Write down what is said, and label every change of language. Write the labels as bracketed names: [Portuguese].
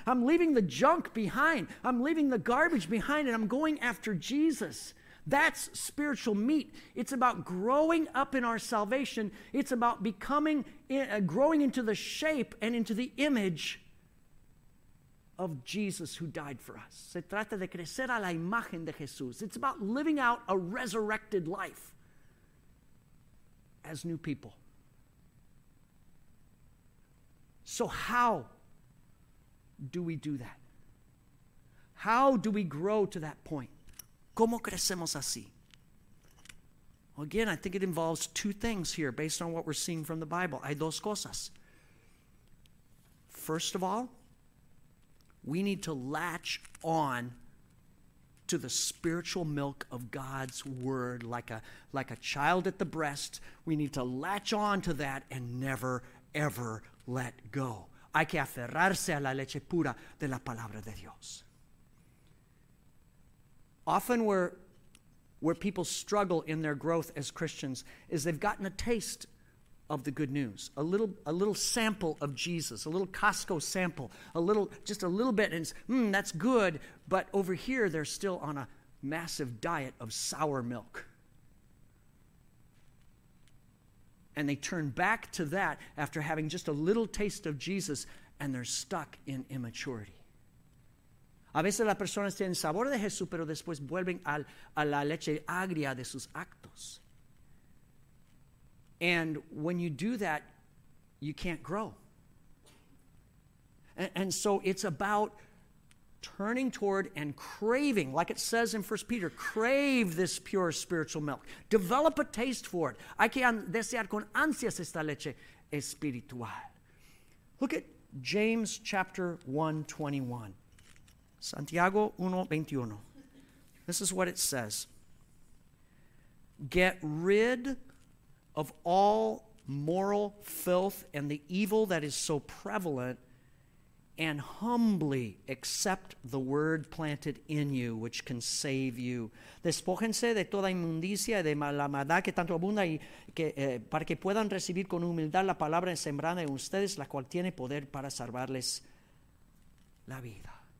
[English] I'm leaving the junk behind. I'm leaving the garbage behind, and I'm going after Jesus. That's spiritual meat. It's about growing up in our salvation. It's about becoming, growing into the shape and into the image of Jesus who died for us. [Spanish] Se trata de crecer a la imagen de Jesús. [English] It's about living out a resurrected life as new people. So how do we do that? How do we grow to that point? [Spanish] ¿Cómo crecemos así? [English] Well, again, I think it involves two things here based on what we're seeing from the Bible. [Spanish] Hay dos cosas. [English] First of all, we need to latch on to the spiritual milk of God's word like a child at the breast. We need to latch on to that and never, ever let go. [Spanish] Hay que aferrarse a la leche pura de la palabra de Dios. [English] Often where people struggle in their growth as Christians is they've gotten a taste of the good news, a little sample of Jesus, a little Costco sample, just a little bit, and it's, that's good, but over here they're still on a massive diet of sour milk. And they turn back to that after having just a little taste of Jesus, and they're stuck in immaturity. [Spanish] A veces las personas tienen sabor de Jesús, pero después vuelven a la leche agria de sus actos. [English] And when you do that, you can't grow. And so it's about turning toward and craving, like it says in 1 Peter, crave this pure spiritual milk. Develop a taste for it. [Spanish] Hay que desear con ansias esta leche espiritual. [English] Look at James chapter 1:21. Santiago 1:21. This is what it says. Get rid of all moral filth and the evil that is so prevalent, and humbly accept the word planted in you, which can save you. [Spanish] Despójense de toda inmundicia y de la maldad que tanto abunda, y que, para que puedan recibir con humildad la palabra sembrada en ustedes, la cual tiene poder para salvarles la vida.